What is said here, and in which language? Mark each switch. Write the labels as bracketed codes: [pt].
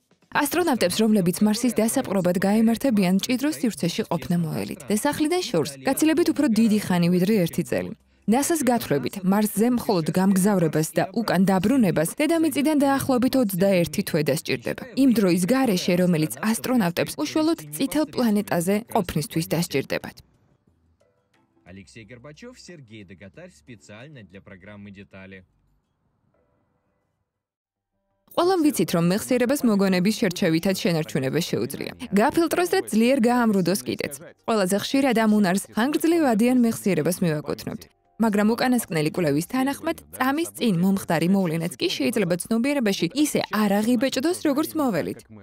[ka] Астронавтებს, რომლებიც მარსის დასაპყრობად გაემართებიან, ჭიდრო სივრცეში ყოფნა მოელით და სახლიდან შორს გაცილებით უფრო დიდი ხანი ვიდრე ერთი წელი. ნასას გათვლებით, მარსზე მხოლოდ გამგზავრებას და უკან დაბრუნებას დედამიწიდან დაახლოებით 21 თვე დასჭირდება. იმ დროის გარეშე, რომელიც ასტრონავტებს უშუალოდ წითელ პლანეტაზე ყოფნისთვის დასჭირდებათ. [ru] Алексей Горбачёв, Сергей Догатарь специально для программы Детали. [ka] Ყველამ ვიცით, რომ მეხსიერებას მოგონების შერჩევითაც შენარჩუნება შეუძლია. გაფილტროს და ძლიერ გაამრუდოს კიდეც. ყველაზე ხშირად ამ უნარს ხანგრძლივ ადიან მეხსიერებას მივაკუთვნებთ. Მაგრამ უკანასკნელი კვლევის თანახმად, წამის წინ მომხდარი მოვლენაც კი შეიძლება ცნობიერებაში ისე არ აღიბეჭდოს, როგორც მოველით.